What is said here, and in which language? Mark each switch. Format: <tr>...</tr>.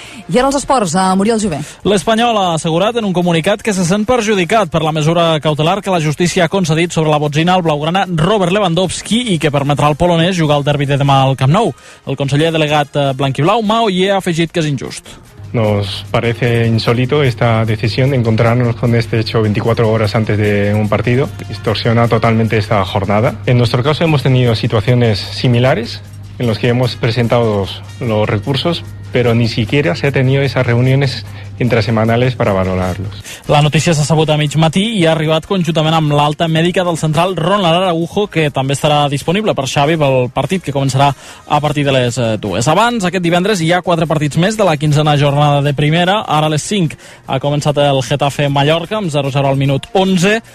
<ca>I ara els esports, a Muriel Jové. L'Espanyol ha assegurat en un comunicat que se sent perjudicat per la mesura cautelar que la justícia ha concedit sobre la botzina al blaugrana Robert Lewandowski i que permetrà al polonès jugar el derbi de demà al Camp Nou. El conseller delegat blanquiblau, Mao Ye, ha afegit que és injust.</ca> <es>Nos parece insólito esta decisión de encontrarnos con este hecho 24 horas antes de un partido. Distorsiona totalmente esta jornada. En nuestro caso hemos tenido situaciones similares en las que hemos presentado los recursos, però ni siquiera s'ha tenido esas reuniones intrasemanales para valorarlos.</es> <ca>La notícia s'ha sabut a mig matí i ha arribat conjuntament amb l'alta mèdica del central Ronald Araujo, que també estarà disponible per Xavi pel partit que començarà a partir de les 2. Abans, aquest divendres, hi ha 4 partits més de la 15a jornada de primera. Ara a les 5 ha començat el Getafe Mallorca amb 0-0 al minut 11.</ca>